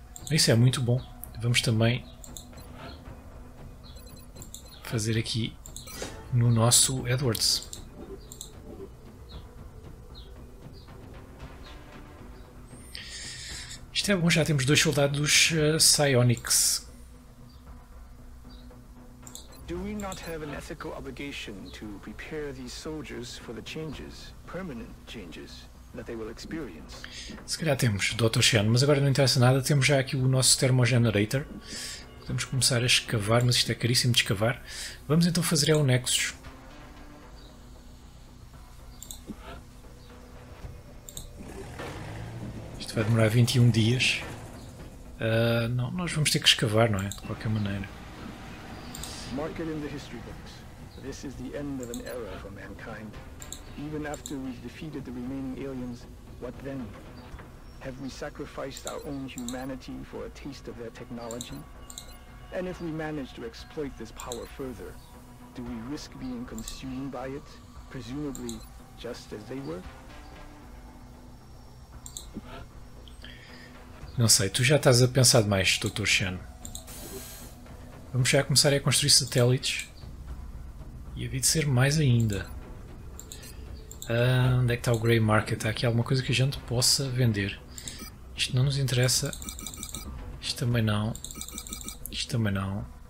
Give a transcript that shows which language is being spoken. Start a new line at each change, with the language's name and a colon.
Portuguese: Isso é muito bom. Vamos também fazer aqui no nosso Edwards. Isto é bom, já temos dois soldados psionics.
English: Do we not have an ethical obligation to prepare these soldiers for the changes, permanent changes, that they will experience?
Portuguese: Se calhar temos, Dr. Shen, mas agora não interessa nada, temos já aqui o nosso termogenerator. Podemos começar a escavar, mas isto é caríssimo de escavar. Vamos então fazer o Nexus. Isto vai demorar 21 dias. Não, nós vamos ter que escavar, não é? De qualquer maneira.
English: Mark it in the history books. This is the end of an era for mankind. Even after we've defeated the remaining aliens, what then? Have we sacrificed our own humanity for a taste of their technology? And if we manage to exploit this power further, do we risk being consumed by it, presumably just as they were?
Portuguese: Não sei, tu já estás a pensar demais, Dr. Shen. Vamos já começar a construir satélites. E havia de ser mais ainda. Onde é que está o Grey Market? Há aqui alguma coisa que a gente possa vender. Isto não nos interessa. Isto também não. Isto também não.